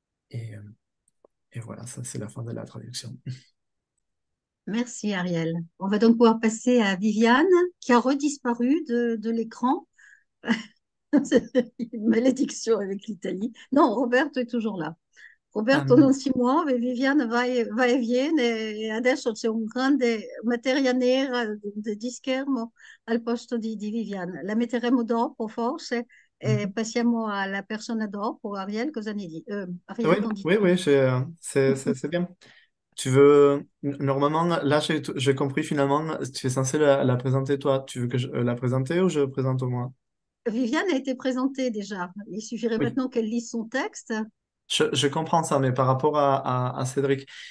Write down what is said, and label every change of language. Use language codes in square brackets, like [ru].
[fr] Et voilà, ça c'est la fin de la traduction. Merci Ariel. On va donc pouvoir passer à Viviane qui a redisparu de l'écran. Une malédiction avec l'Italie. Non, Roberto est toujours là. Roberto, non, 6 mois, mais Viviane va et vient. Et [it] adesso c'è un grande materia nera di schermo al posto di Viviane. La metteremo dopo, forse, e passiamo alla persona dopo. Ariel, cosa ne dis? [fr] Oui, Ariel, qu'en dis-tu? c'est bien. Tu veux, normalement, là, j'ai compris finalement, tu es censé la présenter toi. Tu veux que je la présente ou je présente au moins? Viviane a été présentée déjà. Il suffirait maintenant qu'elle lise son texte. Je comprends ça, mais par rapport à Cédric.